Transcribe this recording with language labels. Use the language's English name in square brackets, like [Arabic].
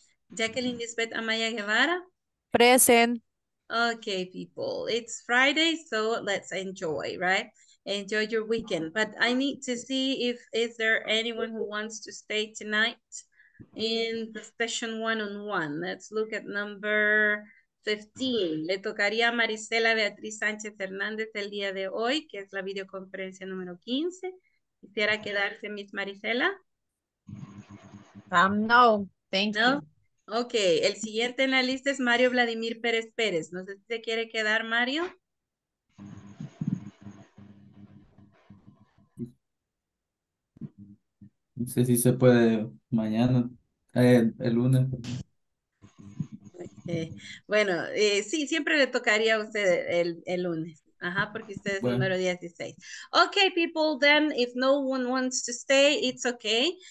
[Spanish] Jacqueline Lisbeth Amaya Guevara. [English] Present. Okay, people. It's Friday, so let's enjoy, right? Enjoy your weekend. But I need to see if is there anyone who wants to stay tonight in the session one-on-one. Let's look at number 15. [Spanish] Le tocaría a Marisela Beatriz Sánchez Hernández el día de hoy, que es la videoconferencia número 15. ¿Quisiera quedarse, Miss Marisela? [English] No, thank you. [Spanish] Ok, el siguiente en la lista es Mario Vladimir Pérez Pérez. No sé si se quiere quedar, Mario. No sé si se puede mañana, el lunes. [English] Okay. [Spanish] Bueno, sí, siempre le tocaría a usted el lunes. Ajá, porque usted es bueno. Número 16. [English] Ok, people, then if no one wants to stay, it's okay.